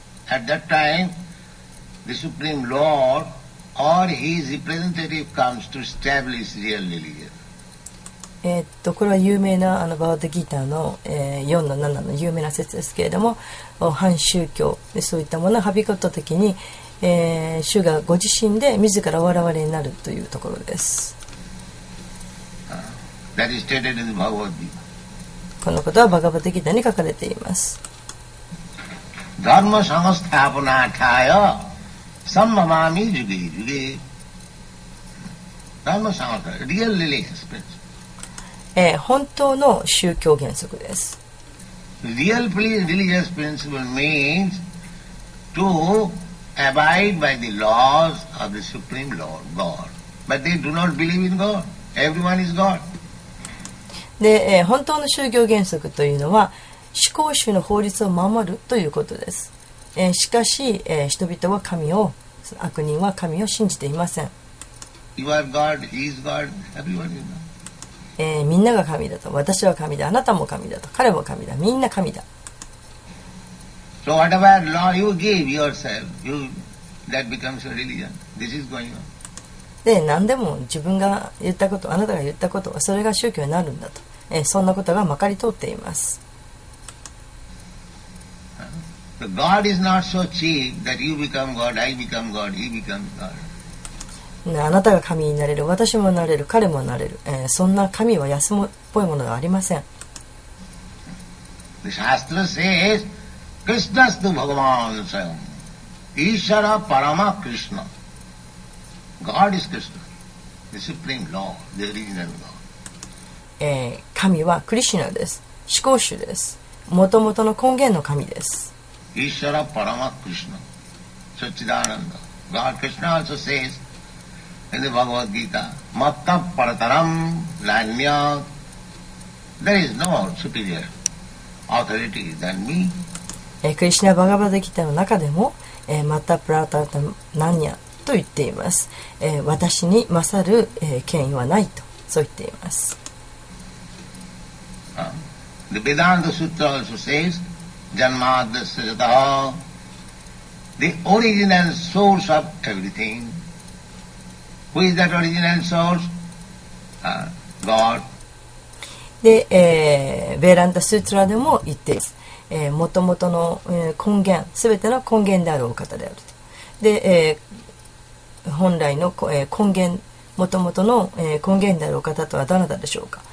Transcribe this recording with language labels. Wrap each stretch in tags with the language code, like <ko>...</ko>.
<en>At that time, the Supreme Lord or his representative comes to establish real religion.</en> <ja>これは有名なあのバガヴァッド・ギーターの、4の7の有名な説ですけれども、反宗教、そういったものをはびこった時に、主がご自身で自らお現れになるというところです。</ja> <en>That is stated in the Bhagavad Gita.</en> <ja>このことはバガヴァッド・ギーターに書かれています。</ja> <sa>Dharma samasthapana thaya sammamami juge juge. Dharma samasthapana,</sa> <en>real religious principle.</en> <ja>本当の宗教原則です。</ja> <en>Real religious principle means to abide by the laws of the Supreme Lord, God. But they do not believe in God. Everyone is God.</en> <ja>で、本当の宗教原則というのは、思考主の法律を守るということです。しかし、人々は神を、悪人は神を信じていません。</ja> <en>You are God, He is God, everyone is God.</en> <ja>みんなが神だと、私は神だ、あなたも神だと、彼も神だ、みんな神だ。</ja> <en>So whatever law you give yourself, you, that becomes a religion. This is going on.</en> <ja>で、何でも自分が言ったこと、あなたが言ったこと、それが宗教になるんだと、そんなことがまかり通っています。</ja> <en>God is not so cheap that you become God, I become God, he becomes God.</en> <ja>あなたが神になれる、私もなれる、彼もなれる。そんな神は安っぽいものではありません。</ja> <en>The Shastra says,</en> <sa>Krishnastu Bhagavan Swayam. Ishara Parama Krishna.</sa> <en>God is Krishna, the supreme law, the original law.</en> <ja>神はクリシュナです。思考主です。もともとの根源の神です。</ja> <sa>Ishvara Parama Krishna, Satchidananda.</sa> <en>God Krishna also says in the Bhagavad Gita,</en> <sa>Matta Parataram Lanya.</sa> <en>There is no superior authority than me.</en> <ja>クリシナ・バガバダ・ギターの中でも、</ja> <sa>マッタ・プラタ・ナンニャ</sa> <ja>と言っています、私に勝る、権威はないとそう言っています。</ja> <en>The Vedanta Sutra also says</en> <sa>Janmada Sajata</sa> <en>The origin and source of everything Who is that origin and source? God</en> <ja>で、ベランダ・スートラでも言っています。もともとの根源、すべての根源であるお方であると。で、本来の根源、もともとの根源であるお方とはどなたでしょうか？</ja>